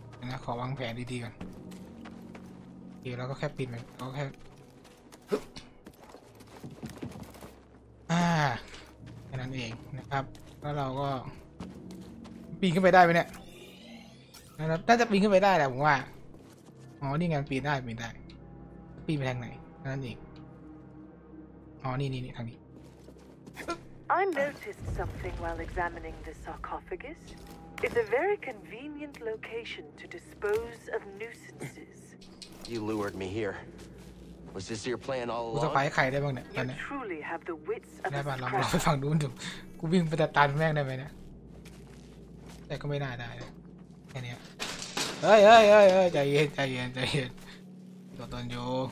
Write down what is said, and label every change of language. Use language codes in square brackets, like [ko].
[th] นะขอวางแผนดีๆก่อนเดี๋ยวเราก็แค่ปิดมันก็แค่แค่นั้นเองนะครับแล้วเราก็ปีนขึ้นไปได้ไหมเนี่ยน่าจะปีนขึ้นไปได้แหละผมว่าอ๋อนี่งานปีนได้ปีนได้ปีนไปทางไหนนั่นเองอ๋อนี่ทางนี้ [en] I noticed something while examining the sarcophagus. It's a very convenient location to dispose of nuisances. You lured me here. Was this your plan all along? [th] จะไปให้ใครได้บ้างเนี่ยตอนนี้ [en] Truly have the wits of [th] ได้บ้างลองไปฟังดูดูกูวิ่งไปตัดตันแม่งได้ไหมนะแต่ก็ไม่น่าได้แค่นี้เฮ้ยใจเย็นใจเย็นตัวตนอยู่